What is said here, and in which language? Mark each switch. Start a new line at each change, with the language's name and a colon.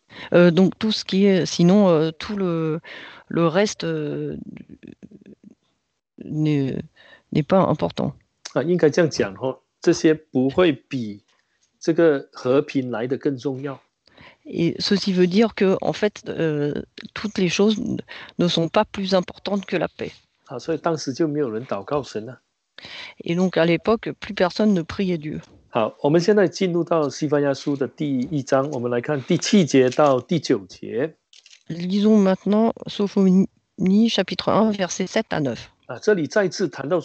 French: Donc tout ce qui est, sinon tout le reste n'est pas important.
Chinese: 应该这样讲，这些不会比这个和平来得更重要。
French: Et ceci veut dire que en fait toutes les choses ne sont pas plus importantes que la paix.
Chinese: 所以当时就没有人祷告神了。
French: Et donc à l'époque, plus personne ne priait Dieu.
Chinese: 好，我们现在进入到《西番雅书》的第一章，我们来看第七节到第九节。
French: Lisons maintenant Sophonie chapitre 1 verset 7 à 9.